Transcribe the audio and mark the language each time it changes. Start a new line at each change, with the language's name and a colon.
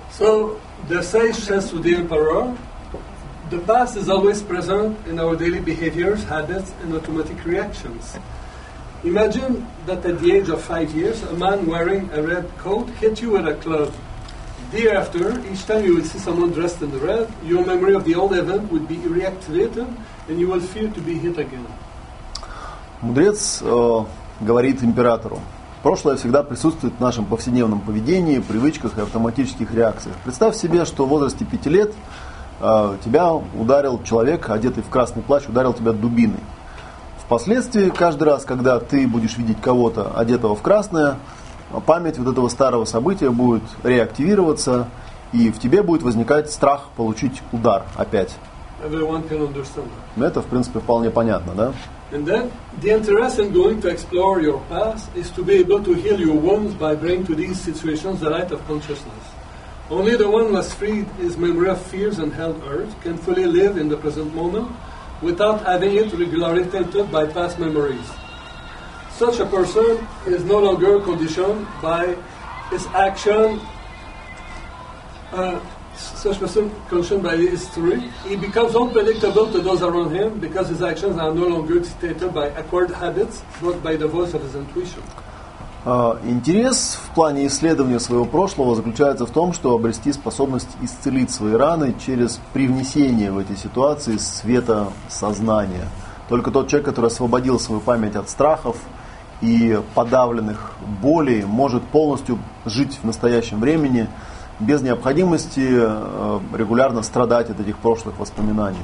English: So the sage says to the emperor, the past is always present in our daily behaviors, habits, and automatic reactions. Imagine that at the age of 5 years, a man wearing a red coat hit you with a club. Day after, each time you will see someone dressed in the red, your memory of the old event would be reactivated, and you will fear to be hit again.
Russian: Мудрец говорит императору. Прошлое всегда присутствует в нашем повседневном поведении, привычках и автоматических реакциях. Представь себе, что в возрасте 5 лет тебя ударил человек, одетый в красный плащ, ударил тебя дубиной. Впоследствии, каждый раз, когда ты будешь видеть кого-то, одетого в красное, память вот этого старого события будет реактивироваться, и в тебе будет возникать страх получить удар опять. Это, в принципе, вполне понятно, да?
English: And then the interest in going to explore your past is to be able to heal your wounds by bringing to these situations the light of consciousness. Only the one who has freed his memory of fears and held hurt can fully live in the present moment without having it regularly tainted by past memories. Such a person is no longer conditioned by his action. Such person conditioned by history, he becomes unpredictable to those around him because his actions are no longer dictated by acquired habits, but by the voice of his intuition.
Russian: Интерес в плане исследования своего прошлого заключается в том, чтобы обрести способность исцелить свои раны через привнесение в эти ситуации света сознания. Только тот человек, который освободил свою память от страхов и подавленных болей, может полностью жить в настоящем времени без необходимости регулярно страдать от этих прошлых воспоминаний.